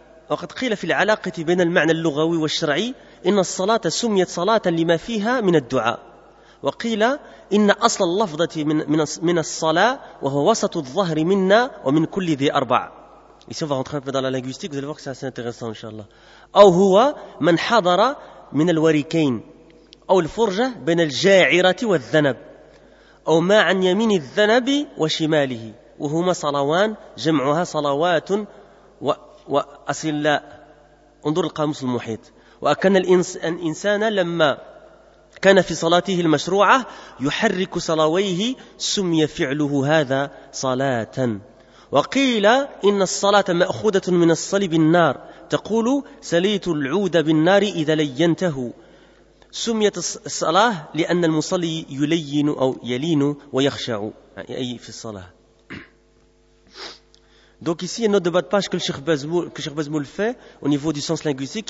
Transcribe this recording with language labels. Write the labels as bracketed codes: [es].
[ar] وقد قيل في العلاقة بين المعنى اللغوي والشرعي إن الصلاة سميت صلاة لما فيها من الدعاء وقيل إن أصل اللفظة من الصلاة وهو وسط الظهر منا ومن كل ذي أربع. [fr] Ici on va rentrer un peu dans la linguistique, vous allez voir que c'est assez intéressant, inshallah. [ar] أو هو من حضر من الوريكين أو الفرجة بين الجاعرة والذنب أو ما عن يمين الذنب وشماله وهما صلوان جمعها صلوات و وأصل لا انظر القاموس المحيط وأكن الإنسان لما كان في صلاته المشروعة يحرك صلويه سمي فعله هذا صلاة وقيل إن الصلاة مأخوذة من الصليب النار تقول سليت العود بالنار إذا لينته سميت الصلاة لأن المصلي يلين أو يلين ويخشع أي في الصلاة. [fr] Donc ici, il y a une note de bas de page que Cheikh Bezmoul fait au niveau du sens linguistique.